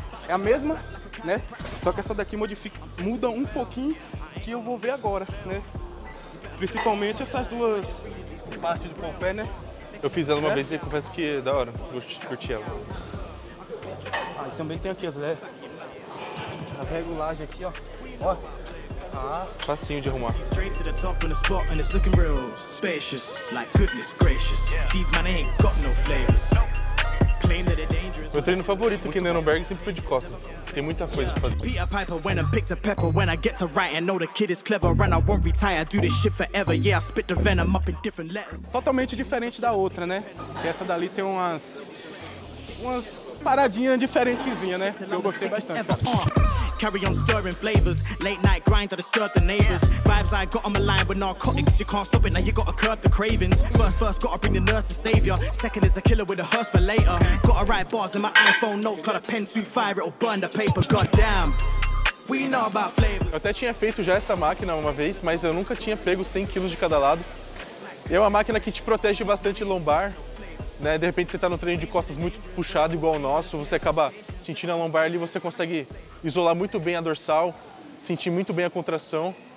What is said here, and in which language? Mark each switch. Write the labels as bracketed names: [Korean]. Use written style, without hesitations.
[Portuguese] É a mesma, né? Só que essa daqui muda um pouquinho, que eu vou ver agora, né? principalmente essas duas partes do pompé, né? Eu fiz ela uma vez e confesso que é da hora, curti ela. Ah, e também tem aqui as regulagens aqui, ó. Ó. Ah, facinho de arrumar. [English] Straight to the top on the spot and it's looking real spacious. Like goodness gracious. These man ain't got no flavors. Claim that they're dangerous. [Portuguese] Meu treino favorito aqui em Nuremberg sempre foi de costas. Tem muita coisa pra fazer. [English] Peter Piper when I picked a pepper when I get to write and know the kid is clever and I won't retire. Do this shit forever. Yeah, I spit the venom up in different letters. [Portuguese] Totalmente diferente da outra, né? Essa dali tem umas paradinhas diferentezinhas, né? Eu gostei bastante. [English] Carry on stirring flavors, late night grind to disturb the neighbors. Vibes I got on the line with narcotics, you can't stop it, now you gotta curb the cravings. First, gotta bring the nurse to savior. Second is a killer with a hearse for later. Gotta write bars in my iPhone notes, got a pen to fire, it'll burn the paper, goddamn. We know about flavors. [Portuguese] Eu até tinha feito já essa máquina uma vez, mas eu nunca tinha pego 100 kg de cada lado. E é uma máquina que te protege bastante lombar. Né? De repente você tá no treino de costas muito puxado, igual o nosso, você acaba sentindo a lombar ali, você consegue isolar muito bem a dorsal, sentir muito bem a contração.